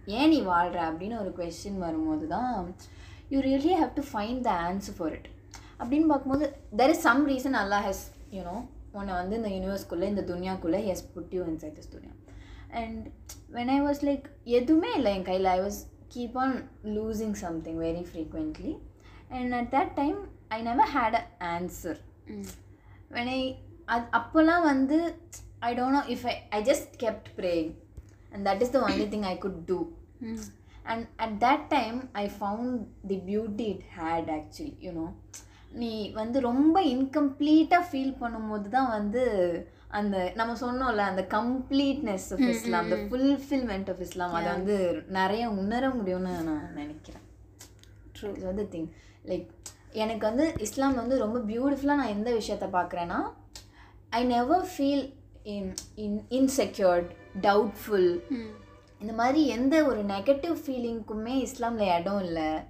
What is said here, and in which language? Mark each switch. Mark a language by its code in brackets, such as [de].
[ta] ஏன் நீ வாழ்கிற அப்படின்னு ஒரு க்வெஸ்சன் வரும்போது தான் [en] you really have to find the answer for it [ta] அப்படின்னு பார்க்கும்போது [en] there is some reason Allah has you know [ta] உன்னை வந்து இந்த யூனிவர்ஸ்குள்ளே இந்த துன்யாக்குள்ளே [en] Has put you inside this துன்யா. And when I was like [ta] எதுவுமே இல்லை என் கையில், [en] I was keep on losing something very frequently. And at that time, I never had an answer. Mm. When I, [ta] appala vandu, [en] I don't know if I just kept praying. And that is the only thing I could do. Mm. And at that time, I found the beauty it had actually, you know. [ta] நீ வந்து ரொம்ப இன்கம்ப்ளீட்டாக feel பண்ணும்போது தான் வந்து அந்த நம்ம சொன்னோம்ல அந்த [en] completeness of Islam [ta] அந்த [en] fulfilment of Islam [ta] அதை வந்து நிறைய உணர முடியும்னு நான் நினைக்கிறேன். [en] true [ta] இஸ் வந்து திங் லைக் எனக்கு வந்து இஸ்லாம் வந்து ரொம்ப பியூட்டிஃபுல்லாக நான் எந்த விஷயத்தை பார்க்குறேன்னா [en] I never feel insecured doubtful [ta] இந்த மாதிரி எந்த ஒரு நெகட்டிவ் ஃபீலிங்க்குமே இஸ்லாமில் இடம் இல்லை.